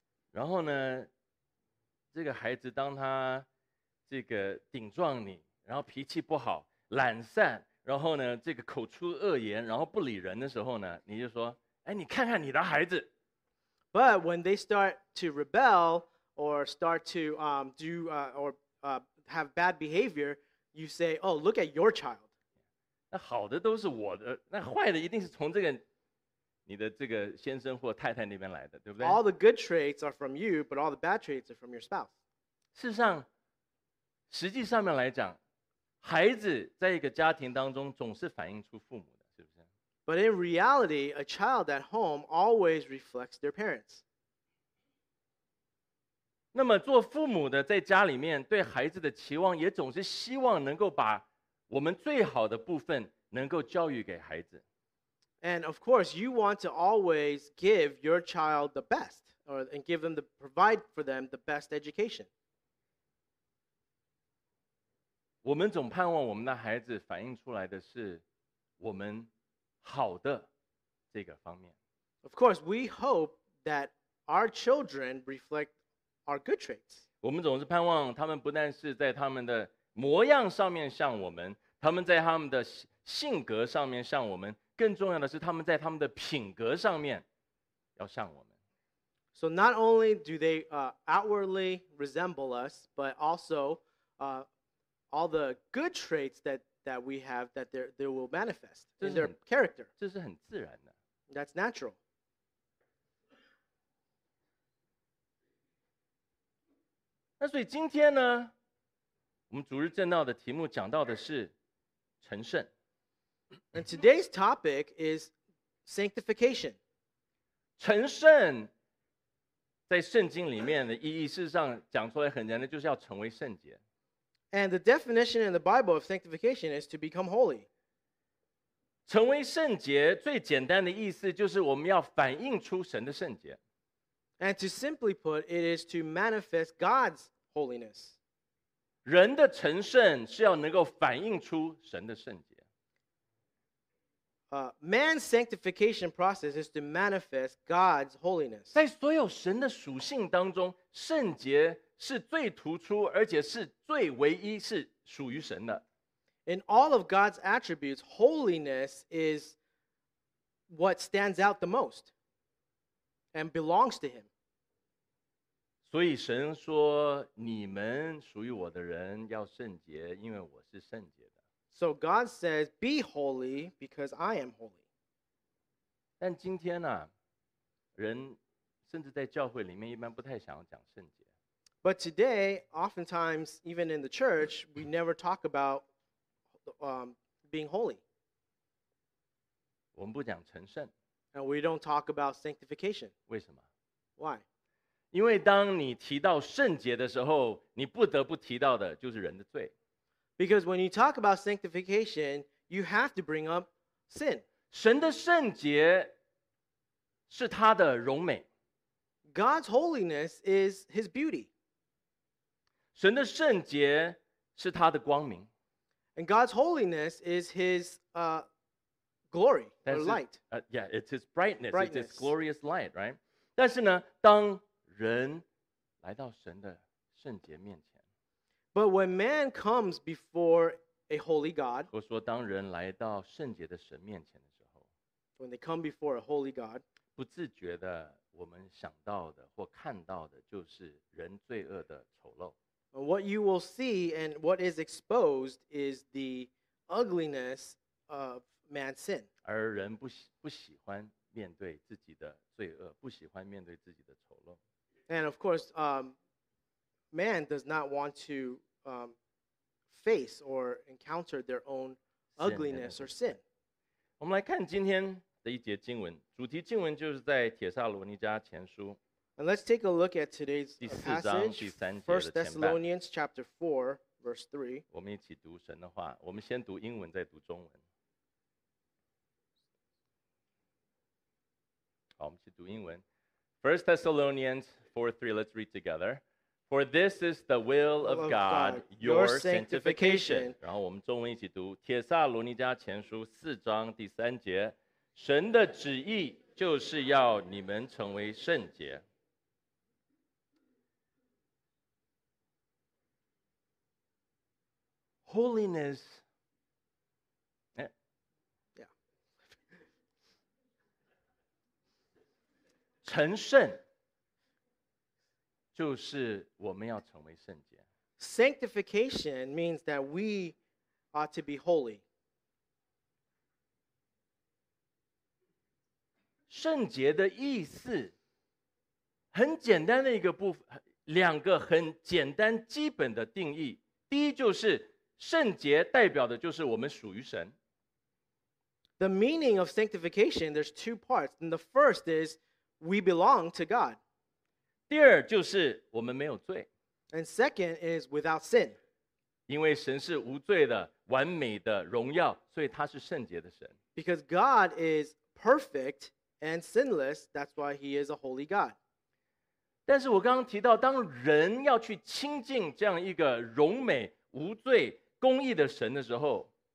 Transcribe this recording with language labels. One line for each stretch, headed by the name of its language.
Chinese: 然后呢，这个孩子当他这个顶撞你，然后脾气不好。懒散，然后呢，这个口出恶言，然后不理人的时候呢，你就说，哎，你看看你的孩子。
English: But when they start to rebel or start to do or have bad behavior, you say, oh, look at your child.
Chinese: 那好的都是我的，那坏的一定是从这个你的这个先生或太太那边来的，对不对？
English: All the good traits are from you, but all the bad traits are from your spouse.
Chinese: 事实上，实际上面来讲，孩子在一个家庭当中总是反映出父母的，是不是？
English: But in reality, a child at home always reflects their parents.
Chinese: 那么做父母的在家里面对孩子的期望，也总是希望能够把我们最好的部分能够教育给孩子。
English: And of course, you want to always give your child the best, or and give them the provide for them the best education.
Chinese: 我们总盼望我们的孩子反映出来的是我们好的这个方面。
English: Of course, we hope that our children reflect our good traits.
Chinese: 我们总是盼望他们不但是在他们的模样上面像我们，他们在他们的性格上面像我们。更重要的是他们在他们的品格上面要像我们。
English: So not only do they outwardly resemble us, but also all the good traits that we have that they will manifest in their character.
Chinese: 这是很自然的。
English: That's natural.
Chinese: 那所以今天呢，我们主日正道的题目讲到的是成圣。
English: And today's topic is sanctification.
Chinese: 成圣在圣经里面的意义，事实上讲出来很简单，就是要成为圣洁。
English: And the definition in the Bible of sanctification is to become holy.
Chinese: 成为圣洁最简单的意思就是我们要反映出神的圣洁。
English: And to simply put, it is to manifest God's holiness.
Chinese: 人的成圣是要能够反映出神的圣洁。
English: Man's sanctification process is to manifest God's holiness.
Chinese: 在所有神的属性当中，圣洁是最突出，而且是最唯一，是属于神的。
English: In all of God's attributes, holiness is what stands out the most and belongs to Him.
Chinese: 所以神说，你们属于我的人要圣洁，因为我是圣洁。
English: So God says, be holy because I am holy.
Chinese: 但今天呢，人甚至在教会里面一般不太想要讲圣洁。
English: But today, oftentimes, even in the church, we never talk about being holy.
Chinese: 我们不讲成圣。
English: And we don't talk about sanctification.
Chinese: 为什么？
English: Why?
Chinese: 因为当你提到圣洁的时候，你不得不提到的就是人的罪。
English: Because when you talk about sanctification, you have to bring up sin.
Chinese: 神的圣洁是他的荣美。
English: God's holiness is his beauty.
Chinese: 神的圣洁是他的光明。
English: And God's holiness is his glory or light. Yeah, it's his brightness. It's his glorious light, right?
Chinese: 但是呢，当人来到神的圣洁面前，
English: But when man comes before a holy God,
Chinese: 我说当人来到圣洁的神面前的时候，
English: when they come before a holy God,
Chinese: 不自觉的我们想到的或看到的就是人罪恶的丑陋。
English: What you will see and what is exposed is the ugliness of man's sin.
Chinese: 而人不喜欢面对自己的罪恶，不喜欢面对自己的丑陋。
English: And of course, Man does not want to face or encounter their own ugliness or sin.
Chinese: 我们来看今天的一节经文，主题经文就是在《帖撒罗尼迦前书》。
English: And let's take a look at today's passage, 1 Thessalonians chapter 4, verse 3.
Chinese: 我们一起读神的话，我们先读英文，再读中文。好，我们一起读英文。
English: 1 Thessalonians 4:3, let's read together. For this is the will of God, your sanctification.
Chinese: 然后我们中文一起读《帖撒罗尼迦前书》四章第三节，神的旨意就是要你们成为圣洁。
English: Holiness. Yeah.
Chinese: 成圣。就是我们要成为圣洁。
English: Sanctification means that we ought to be holy.
Chinese: 圣洁的意思，很简单的一个部分，两个很简单基本的定义。第一就是圣洁代表的就是我们属于神。
English: The meaning of sanctification, there's two parts. And the first is we belong to God.
Chinese: 第二就是我们没有罪。
English: And second is without sin.
Chinese: 因为神是无罪的、完美的、荣耀，所以他是圣洁的神。
English: Because God is perfect and sinless, that's why he is a holy God.
Chinese: 但是我刚刚提到，当人要去亲近这样一个荣美、无罪、公义的神的时候，